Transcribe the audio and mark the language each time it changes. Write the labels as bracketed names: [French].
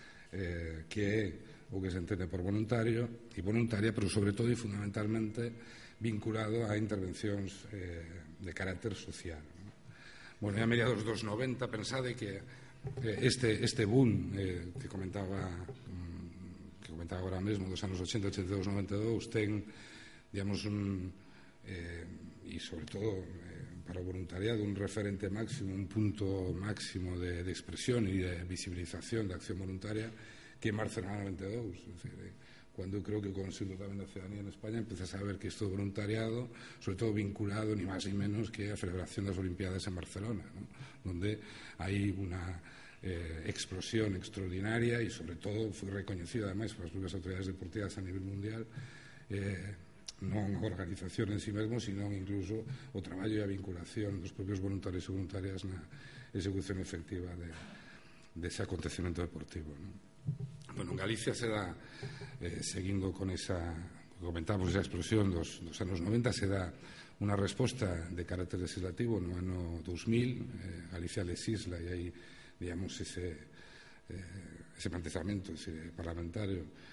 [Galician] que é o que se entende por voluntario e voluntaria, pero sobre todo e fundamentalmente vinculado a intervencións de carácter social. Bueno, a mediados dos 90, pensade que este boom que comentaba agora mesmo dos anos 80, 82, 92 ten, digamos, e sobre todo para o voluntariado, un referente máximo, un punto máximo de expresión e de visibilización da acción voluntaria, [Spanish] que en Barcelona 92, es decir, cuando creo que con el Sindicato también de Ciudadanía en España empieza a saber que esto es voluntariado, sobre todo vinculado ni más ni menos que a la celebración de las Olimpiadas en Barcelona, ¿no? Donde hay una explosión extraordinaria y sobre todo fue reconocida además por las propias autoridades deportivas a nivel mundial, no en organización en sí mismo, sino incluso o trabajo y a vinculación de los propios voluntarios y voluntarias en la ejecución efectiva de ese acontecimiento deportivo, ¿no? [Galician] Bueno, en Galicia se da, seguindo con esa, comentamos esa explosión dos anos 90, se da unha resposta de carácter legislativo no ano 2000, Galicia legisla e hai, digamos, ese plantexamento parlamentario